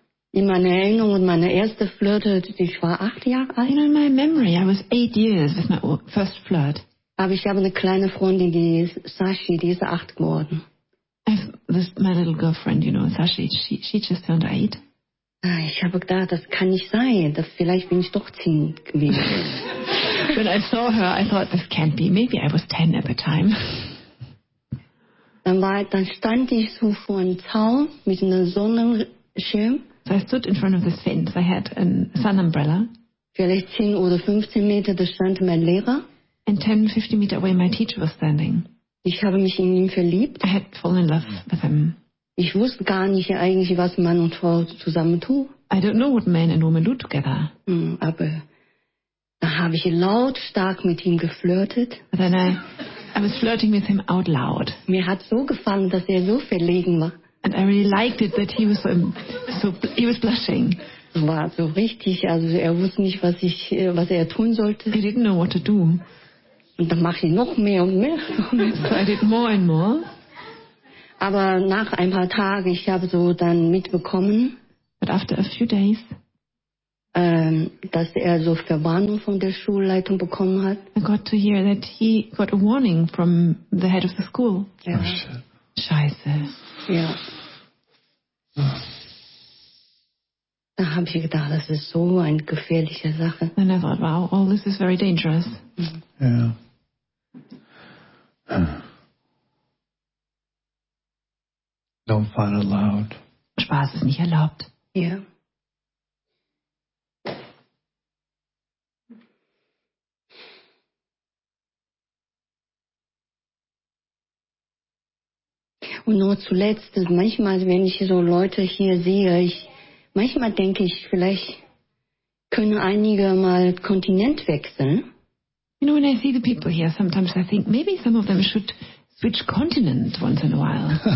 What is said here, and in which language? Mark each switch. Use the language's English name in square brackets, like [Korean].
[German] In meiner Erinnerung, meine erste Flirte, ich war 8 Jahre alt. [English] You know, in my memory, I was 8 years with my first flirt. [German] Aber ich habe eine kleine Freundin, die Sashi, die ist 8 geworden. [English] This, my little girlfriend, you know, Sashi, she just turned 8. [German] Ich habe gedacht, das kann nicht sein. Vielleicht bin ich doch 10 gewesen. [English] When I saw her, I thought, this can't be. Maybe I was 10 at the time. [German] Dann stand ich so vor einem Zaun mit einem Sonnenschirm. [English] So I stood in front of this fence. I had a sun umbrella. [German] Vielleicht 10 oder 15 Meter, da stand mein Lehrer. [English] And 10-15 meters away, my teacher was standing. [German] Ich habe mich in ihn verliebt. [English] I had fallen in love with him. [German] Ich wusste gar nicht eigentlich, was Mann und Frau zusammen tun. [English] I don't know what man and woman do together. [German] Aber da habe ich lautstark mit ihm geflirtet. [English] But then I was flirting with him out loud. [German] Mir hat so gefallen, dass er so verlegen war. [English] And I really liked it that he was blushing. [German] War so richtig, also er wusste nicht, was er tun sollte. [English] He didn't know what to do. [German] Und dann mache ich noch mehr und mehr. [English] So I did more and more. [German] Aber nach ein paar Tagen, ich habe so dann mitbekommen, [English] but after a few days, [German] dass er so Verwarnung von der Schulleitung bekommen hat. [English] I got to hear that he got a warning from the head of the school. Ja. Oh, shit. [German] Scheiße. Ja. Da habe ich gedacht, das ist so eine gefährliche Sache. [English] And I thought, wow, all this is very dangerous. Yeah. Don't fight aloud. [German] Spaß ist nicht erlaubt. Ja. Yeah. Und nur zuletzt, manchmal, wenn ich so Leute hier sehe, manchmal denke ich, vielleicht können einige mal Kontinent wechseln. [English] You know, when I see the people here, sometimes I think maybe some of them should switch continent once in a while.